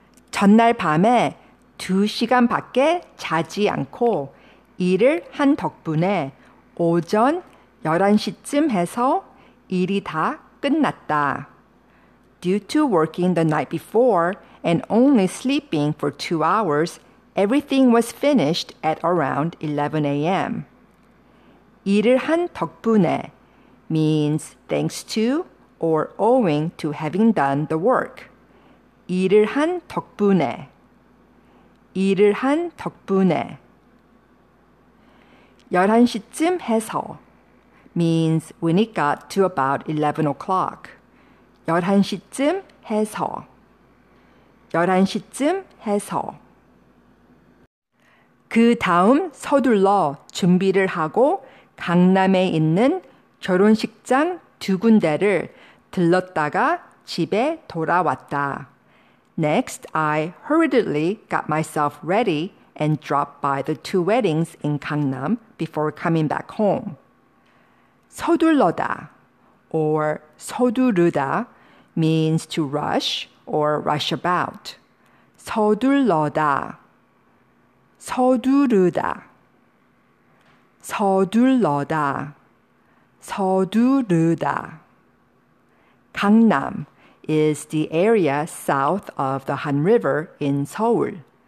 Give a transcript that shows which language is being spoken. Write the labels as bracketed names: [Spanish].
[Korean] 전날 밤에 두 시간밖에 자지 않고 일을 한 덕분에 오전 11시쯤 해서 일이 다 끝났다. [English] Due to working the night before and only sleeping for 2 hours, everything was finished at around 11 a.m. [Korean] 일을 한 덕분에 [English] means thanks to or owing to having done the work. [Korean] 일을 한 덕분에 일을 한 덕분에 11시쯤 해서 [English] means when it got to about 11 o'clock. [Korean] 11시쯤 해서 11시쯤 해서 그 다음 서둘러 준비를 하고 강남에 있는 결혼식장 두 군데를 들렀다가 집에 돌아왔다. [English] Next, I hurriedly got myself ready and dropped by the two weddings in Gangnam before coming back home. 서둘러다 or 서두르다 means to rush or rush about. [Korean] 서둘러다 서두르다 서둘러다 서두르다 [English] 강남 is the area south of the Han River in Seoul.